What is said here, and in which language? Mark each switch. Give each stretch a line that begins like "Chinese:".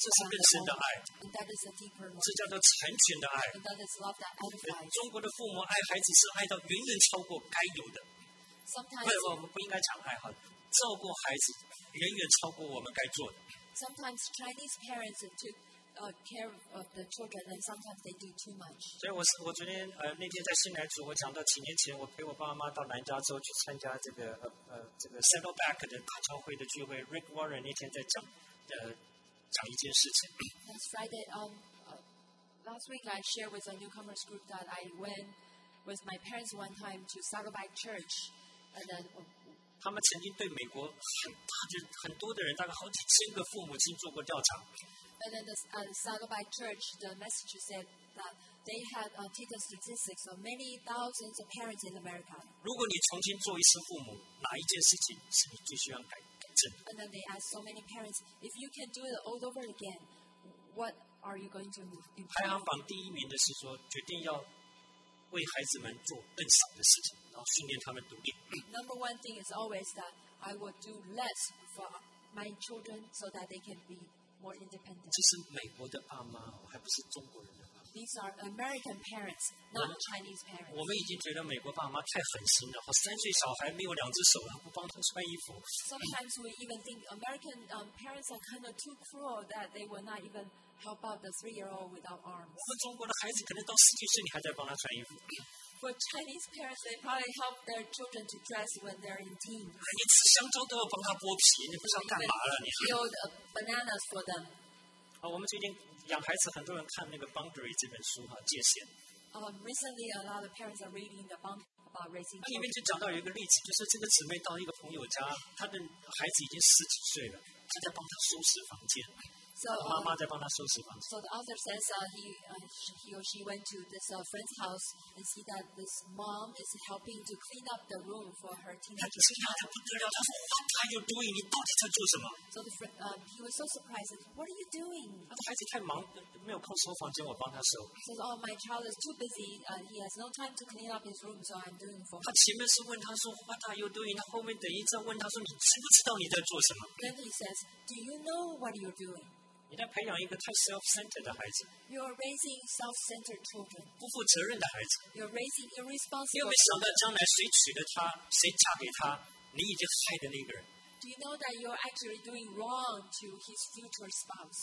Chinese: 这是更深的爱。
English: And that is a deeper love.
Chinese: 这叫做成全的爱。
English: And that is love that edifies.
Chinese: 中国的父母爱孩子是爱到。远远超过该有的，我们不应该讲爱好，照顾孩子远远超过我们该做的。
English: Sometimes Chinese parents took care of the children, and sometimes they do too much.
Chinese: 所以我昨天那天在新南组，我讲到几年前，我陪我爸妈到南加州去参加这个 Saddleback 的大教会的聚会 ，Rick Warren 那天在讲一件事情。
English: Last Friday, last week I shared with a newcomers group that I went. With my parents one time to Saddleback Church, and then.
Chinese: 他们曾经对美国很多的人，大概好几千个父母亲做过调查。
English: And then the Saddleback Church, the message said that they had taken statistics of many thousands of parents in America.
Chinese: 如果你重新做一次父母，哪一件事情是你最需要改正
English: ？And then they asked so many parents, if you can do it all over again, what are you going to improve?
Chinese: 排行榜第一名的是说决定要。为孩子们做更少的事情，然后训练他们独立。
English: Number one thing is always that I will do less for my children so that they can be more independent.
Chinese: 这是美国的爸妈，还不是中国人的爸妈。
English: These are American parents, not Chinese parents.
Chinese: 我们已经觉得美国爸妈太狠心了，和三岁小孩没有两只手，还不帮他穿衣服。
English: Sometimes we even think American parents are kind of too cruel that they will not even. How about the 3-year-old without arms?
Chinese: 我们中国的孩子可能到四岁，你还在帮他穿衣服。
English: For Chinese parents, they probably help their children to dress when they're in teens.
Chinese: 你吃香蕉都要帮他剥皮，你不知道干嘛了你。
English: Peeled bananas for them.
Chinese: 啊，我们最近养孩子，很多人看那个《Boundary》这本书哈，界限。
English: Recently, a lot of parents are reading the Boundary about raising.
Chinese: 里面就讲到一个例子，就是这个姊妹到一个朋友家，她的孩子已经十几岁了，正在帮他收拾房间。
English: So the author says he or she went to this friend's house and see that this mom is helping to clean up the room for her teenager. So the friend, he was so surprised. What are you doing? My child is too busy. He has no time to clean up his room, so I'm doing for him.
Chinese: 他前面是问他说
English: What are you doing?
Chinese: 他后面等一阵问他说你知不知道你在做什么
English: Then he says, Do you know what you're doing?
Chinese: 你在培养一个太 self-centered 的孩子。
English: You are raising self-centered children.
Chinese: 不负责任的孩子。
English: You are raising irresponsible.
Chinese: 你有没有想到将来谁娶了她，谁嫁给她，你已经害的那个人。
English: Do you know that you are actually doing wrong to his future spouse?